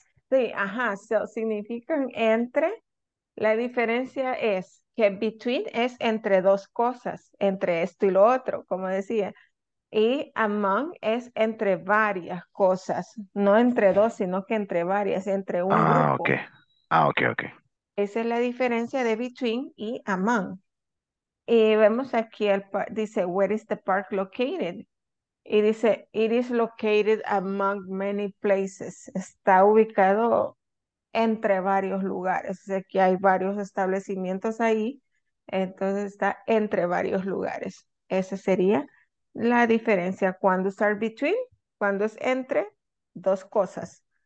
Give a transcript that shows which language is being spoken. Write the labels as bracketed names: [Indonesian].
[Spanish] Sí, ajá, [English] so [Spanish] significan entre, la diferencia es que between es entre dos cosas, entre esto y lo otro, como decía, y among es entre varias cosas, no entre dos, sino que entre varias, entre un grupo. Ah, ok. Esa es la diferencia de between y among. Y vemos aquí, dice, [English] where is the park located? [Spanish] Y dice, [English] it is located among many places. [Spanish] Está ubicado entre varios lugares. O sea, que hay varios establecimientos ahí. Entonces está entre varios lugares. Esa sería la diferencia. ¿Cuándo estar between? Cuando es entre dos cosas.